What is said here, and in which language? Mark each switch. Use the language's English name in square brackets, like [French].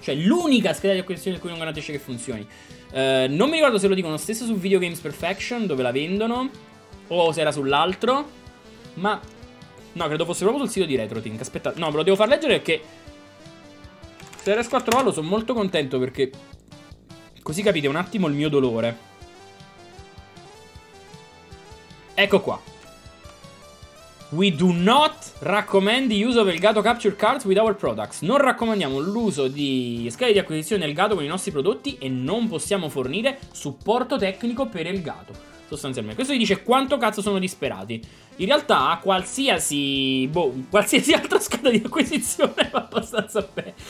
[Italian] Cioè l'unica scheda di acquisizione in cui non garantisce che funzioni. Non mi ricordo se lo dicono stesso su Video Games Perfection, dove la vendono, o se era sull'altro. Ma no, credo fosse proprio sul sito di RetroTINK. Aspetta, no, ve lo devo far leggere, perché se riesco a trovarlo sono molto contento, perché così capite un attimo il mio dolore. Ecco qua. [English] We do not recommend the use of Elgato Capture Cards with our products. [Italian] Non raccomandiamo l'uso di schede di acquisizione Elgato con i nostri prodotti e non possiamo fornire supporto tecnico per Elgato. Sostanzialmente, questo gli dice quanto cazzo sono disperati. In realtà, qualsiasi altra scheda di acquisizione va abbastanza bene.